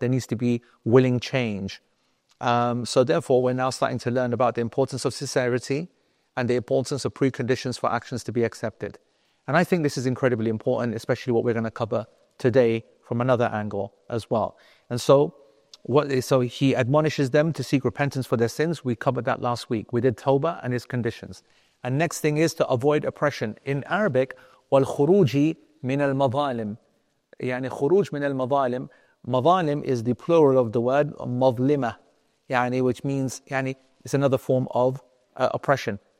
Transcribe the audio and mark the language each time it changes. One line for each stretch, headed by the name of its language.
English: There needs to be willing change. So therefore, we're now starting to learn about the importance of sincerity and the importance of preconditions for actions to be accepted. And I think this is incredibly important, especially what we're going to cover today from another angle as well. And so, so he admonishes them to seek repentance for their sins. We covered that last week. We did Tawbah and its conditions. And next thing is to avoid oppression. In Arabic,
Arabic: وَالْخُرُوجِ مِنَ الْمَظَالِمِ يعني خُرُوج مِنَ الْمَظَالِمِ.
English: مَظَالِم is the plural of the word مَظْلِمَة يعني, which means يعني, it's another form of oppression.